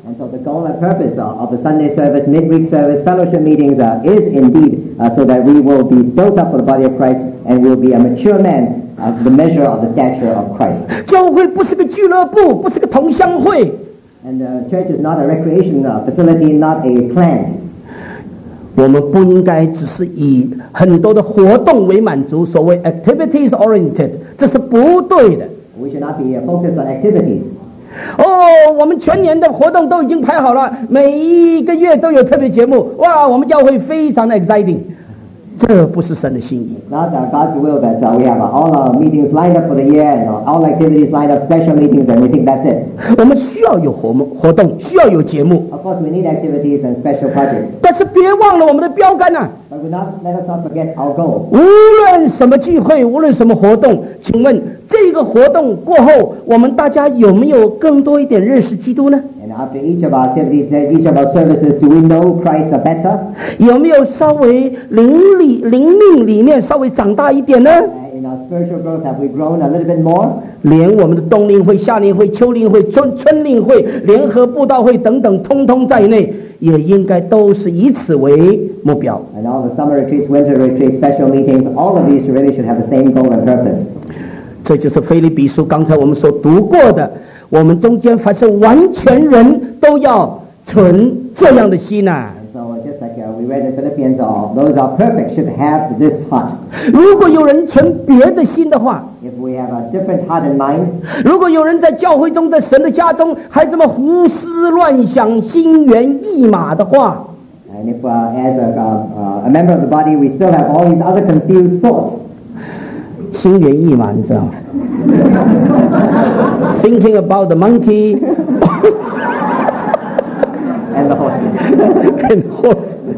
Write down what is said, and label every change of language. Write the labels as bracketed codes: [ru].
[en] So the goal and purpose of the Sunday service, midweek service, fellowship meetings is indeed so that we will be built up for the body of Christ and we'll be a mature man of the measure of the stature of Christ. [zh] 教会不是个俱乐部，不是个同乡会。 [en] And the church is not a recreation facility, not a clan. [zh] 我们不应该只是以很多的活动为满足，所谓 [en] activities oriented, [zh] 这是不对的。 [en] We should not be focused on activities. [zh] 哦、oh, 我们全年的活动都已经排好了，每一个月都有特别节目，哇，我们教会非常的 exciting。这不是神的心意。 [en] Not God's will that we have all our meetings lined up for the year and all activities lined up, special meetings, and we think that's it. [zh] 我们需要有活动，需要有节目。 [en] Of course we need activities and special projects. [zh] 但是别忘了我们的标杆啊。 [en] But we not, let us not forget our goal. [zh] 无论什么聚会，无论什么活动，请问这个活动过后，我们大家有没有更多一点认识基督呢？ [en] And after each of our activities, each of our services, do we know Christ better? [zh] 有没有稍微灵命里面稍微长大一点呢？ [en] Spiritual growth, have we grown a little bit more? [zh] 连我们的冬令会、夏令会、秋令会、春令会、联合布道会等等，通通在内，也应该都是以此为目标。 [en] And all the summer retreats, winter retreats, special meetings, all of these really should have the same goal and purpose. [zh] 这就是腓立比书刚才我们所读过的，我们中间凡是完全人都要存这样的心啊。 [en] We read in Philippians, all those are perfect should have this heart. [zh] 如果有人存别的心的话， [en] if we have a different heart and mind, [zh] 如果有人在教会中，在神的家中还这么胡思乱想、心猿意马的话， [en] and if as a member of the body, we still have all these other confused thoughts, [zh] 心猿意马，你知道吗？ [en] Thinking about the monkey and the horses. and horses.